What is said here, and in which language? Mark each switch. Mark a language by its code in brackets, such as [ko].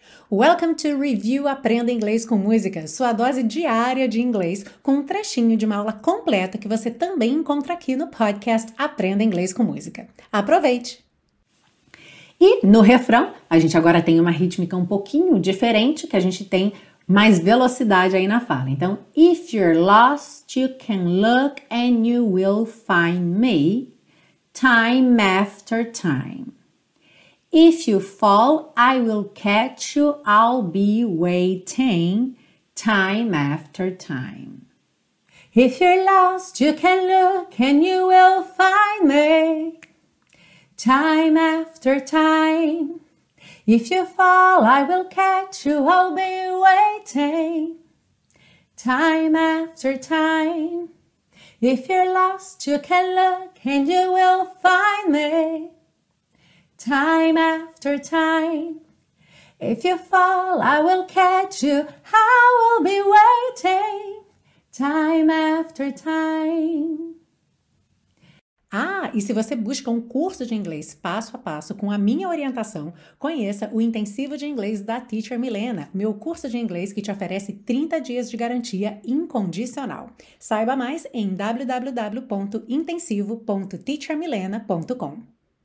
[pt] Welcome to Review Aprenda Inglês com Música, sua dose diária de inglês, com um trechinho de uma aula completa que você também encontra aqui no podcast Aprenda Inglês com Música. Aproveite! E no refrão, a gente agora tem uma rítmica um pouquinho diferente, que a gente tem mais velocidade aí na fala. [en] Então, if you're lost, you can look and you will find me, time after time. If you fall, I will catch you, I'll be waiting, time after time. If you're lost, you can look and you will find me, time after time. If you fall, I will catch you, I'll be waiting, time after time. If you're lost, you can look and you will find me, time after time. If you fall, I will catch you, I will be waiting, time after time. [pt] Ah, e se você busca um curso de inglês passo a passo com a minha orientação, conheça o Intensivo de Inglês da Teacher Milena, meu curso de inglês que te oferece 30 dias de garantia incondicional. Saiba mais em www.intensivo.teachermilena.com.